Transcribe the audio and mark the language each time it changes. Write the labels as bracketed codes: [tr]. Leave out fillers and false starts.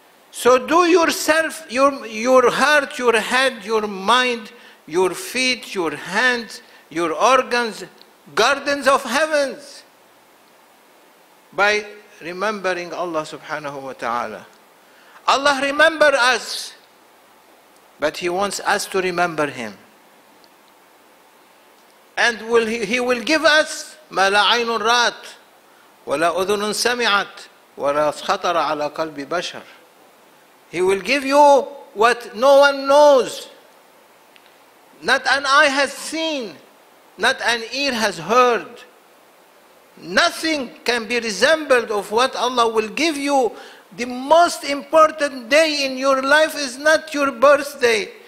[en] So do yourself, your heart, your head, your mind, your feet, your hands, your organs, gardens of heavens, by remembering Allah subhanahu wa ta'ala. Allah remember us, but He wants us to remember Him. And will he will give us [ar] ما لا عين رأت ولا أذن سمعت ولا خطر على قلب بشر. [en] He will give you what no one knows. Not an eye has seen, not an ear has heard. Nothing can be resembled of what Allah will give you. The most important day in your life is not your birthday.